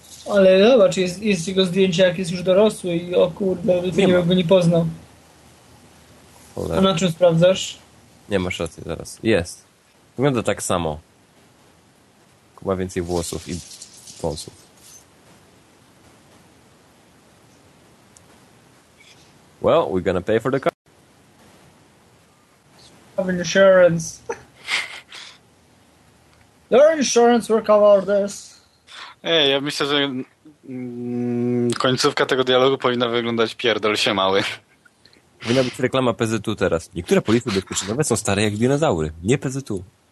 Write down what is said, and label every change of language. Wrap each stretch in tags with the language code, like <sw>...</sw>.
<pl>Ale zobacz, jest jego zdjęcie, jak jest już dorosły i o kurde, nie bym go nie poznał. Cholera. A na czym sprawdzasz? Nie, masz rację, zaraz. Jest. Wygląda tak samo. Ma więcej włosów i wąsów.</pl> <en>Well, we're gonna pay for the car. Have insurance. Your insurance will cover this.</en> <pl>Ej, ja myślę, że końcówka tego dialogu powinna wyglądać pierdol się mały. Powinna być reklama PZU teraz. Niektóre polisy ubezpieczeniowe są stare jak dinozaury. Nie PZU.</pl>